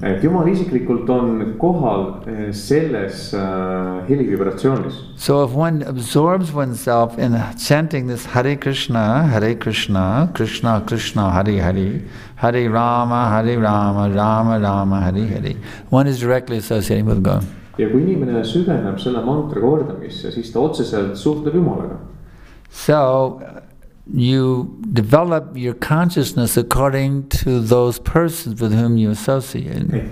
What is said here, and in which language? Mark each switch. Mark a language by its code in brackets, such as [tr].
[en] So if one absorbs oneself in chanting this Hare Krishna, Hare Krishna, Krishna Krishna, Hare Hare, Hare Rama, Hare Rama, Rama Rama, Rama Hare Hare, one is directly associating with God. [et] Ja kui inimene süveneb selle mantra kordamisse, siis ta otseselt suhtub Jumalaga. [en] So you develop your consciousness according to those persons with whom you associate.